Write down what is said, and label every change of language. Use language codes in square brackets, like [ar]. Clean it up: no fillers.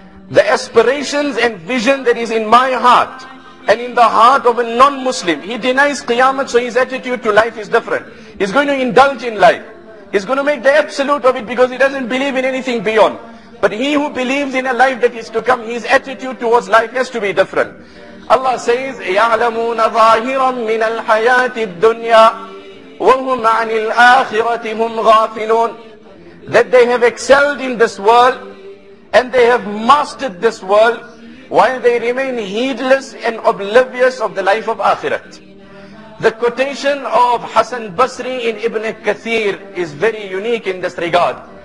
[en] The aspirations and vision that is in my heart and in the heart of a non-Muslim, he denies Qiyamah, so his attitude to life is different. He's going to indulge in life. He's going to make the absolute of it because he doesn't believe in anything beyond. But he who believes in a life that is to come, his attitude towards life has to be different. Allah says, [ar] يَعْلَمُونَ ظَاهِرًا مِنَ الْحَيَاةِ الدُّنْيَا وَهُمْ عَنِ الْآخِرَةِ هُمْ غَافِلُونَ. [en] That they have excelled in this world and they have mastered this world while they remain heedless and oblivious of the life of Akhirat. The quotation of Hassan Basri in Ibn Kathir is very unique in this regard.